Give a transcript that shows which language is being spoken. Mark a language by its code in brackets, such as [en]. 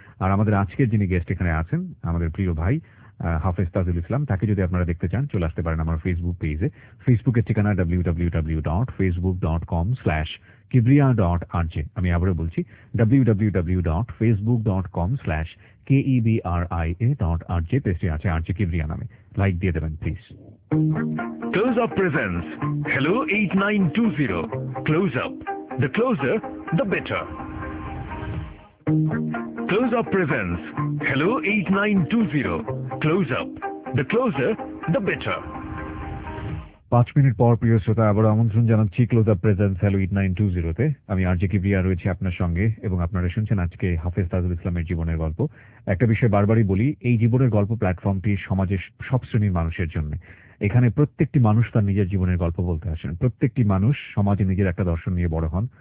[bn] আর আমাদের আজকের যিনি গেস্ট এখানে আছেন আমাদের প্রিয় ভাই হাফেজ তাজুল ইসলাম, তাকে যদি আপনারা দেখতে চান চলে আসতে পারেন আমার ফেসবুক পেজে, ফেসবুকের ঠিকানা www.facebook.com/kibriya.rj, আমি আবারও বলছি www.facebook.com/kibriya.rj, পেজটি আছে আরজে কিবরিয়া নামে, লাইক দিয়ে দেবেন please. [en] Close up presents Hello 8920 Close up, the closer the better. Close up presents Hello 8920 Close up, the closer the better. [bn] 5 minute পর প্রিয় শ্রোতা আবার আমন্ত্রণ জানাচ্ছি ক্লোজ আপ প্রেজেন্স হ্যালো 8920 তে, আমি আরজে কিবরিয়া রয়েছি আপনার সঙ্গে এবং আপনারা শুনছেন আজকে হাফেজ তাজুল ইসলামের জীবনের গল্প। একটা বিষয় বারবারই বলি, এই জীবনের গল্প প্ল্যাটফর্মটি সমাজের সব শ্রেণীর মানুষের জন্য। এখানে প্রত্যেকটি মানুষ তার নিজের জীবনের গল্প বলতে আসেন, প্রত্যেকটি মানুষ সমাজে নিজের একটা দর্শন নিয়ে বড় হন।